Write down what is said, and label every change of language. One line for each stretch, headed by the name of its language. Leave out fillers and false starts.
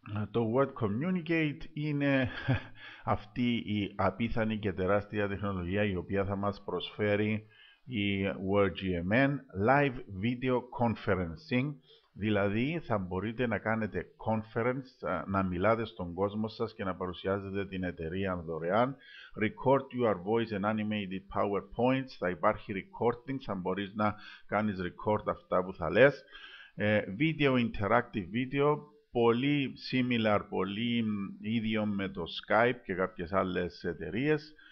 Greek: Το World Communicate είναι αυτή η απίθανη και τεράστια τεχνολογία η οποία θα μας προσφέρει η World GMN Live Video Conferencing. Δηλαδή θα μπορείτε να κάνετε conference, να μιλάτε στον κόσμο σας και να παρουσιάζετε την εταιρεία δωρεάν.
English: Record your voice and animated PowerPoints.
Greek: Θα υπάρχει recording, θα μπορείς να κάνεις record αυτά που θα λες. Video, interactive video, πολύ similar, πολύ ίδιο με το Skype και κάποιες άλλες εταιρείες.